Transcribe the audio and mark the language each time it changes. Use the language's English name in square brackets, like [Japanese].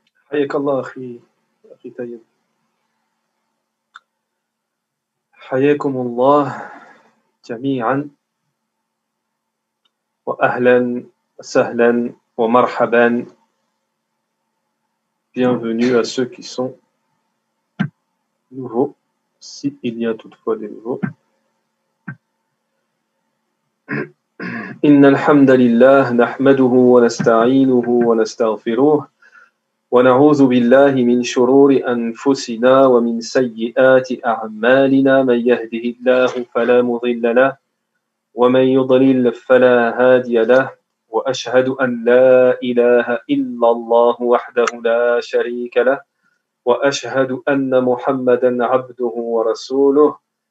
[Arabic] حياك الله أخي طيب، حياكم الله جميعا وأهلا وسهلا ومرحبا. [French] Bienvenue à ceux qui sont nouveaux, si il y a toutefois des nouveaux. [Arabic] إن الحمد لله نحمده ونستعينه ونستغفره ونعوذ بالله من شرور أنفسنا ومن سيئات أعمالنا، من يهده الله فلا مضل له ومن يضلل فلا هادي له، وأشهد أن لا إله إلا الله وحده لا شريك له، وأشهد أن محمدًا عبده ورسوله.